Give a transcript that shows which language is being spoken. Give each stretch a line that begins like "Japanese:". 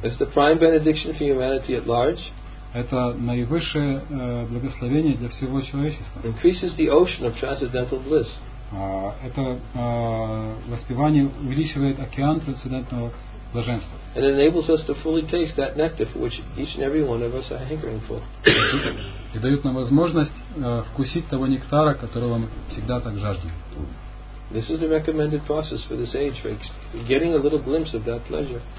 English: It's the prime benediction for humanity at large.
Russian: Это наивысшее благословение для всего человечества.
English: Increases the ocean of transcendental bliss.
Russian: Это воспевание увеличивает океан трансцендентного блаженства.
English: It enables us to fully taste that nectar for which each and every one of us are hankering for.
Russian: И дают нам возможность вкусить того нектара, которого мы всегда так жаждем.
English: This is the recommended process for this age, for getting a little glimpse of that pleasure.